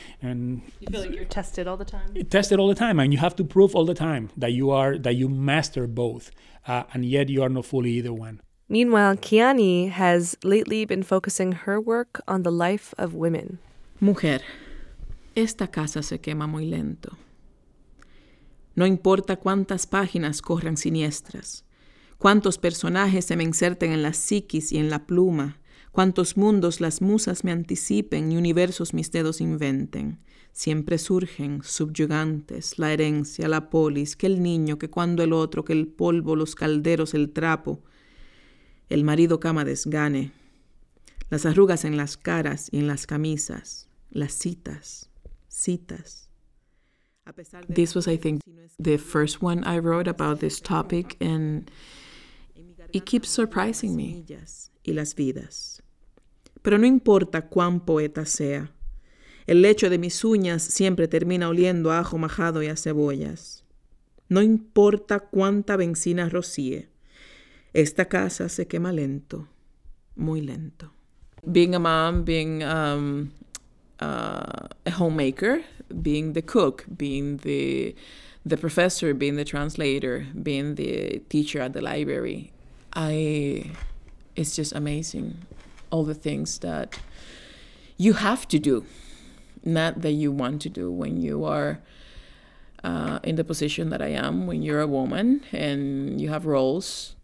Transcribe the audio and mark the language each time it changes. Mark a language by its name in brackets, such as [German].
[English] you feel like you're tested all the time? Tested all the time, and you have to prove all the time that you are, that you master both, and yet you are not fully either one. Meanwhile, Kiani has lately been focusing her work on the life of women. [Spanish] Mujer, esta casa se quema muy lento. No importa cuántas páginas corran siniestras, cuántos personajes se me inserten en la psiquis y en la pluma, cuántos mundos las musas me anticipen y universos mis dedos inventen. Siempre surgen, subyugantes, la herencia, la polis, que el niño, que cuando el otro, que el polvo, los calderos, el trapo, el marido cama desgane, las arrugas en las caras y en las camisas, las citas, citas. [English] This was, I think, the first one I wrote about this topic, and it keeps surprising me. [Spanish] Y las vidas. Pero no importa cuán poeta sea, el lecho de mis uñas siempre termina oliendo a ajo majado y a cebollas. No importa cuánta benzina rocíe, esta casa se quema lento, muy lento. [English] Being a mom, being a homemaker, being the cook, being the professor, being the translator, being the teacher at the library, it's just amazing all the things that you have to do, not that you want to do, when you are in the position that I am, when you're a woman and you have roles.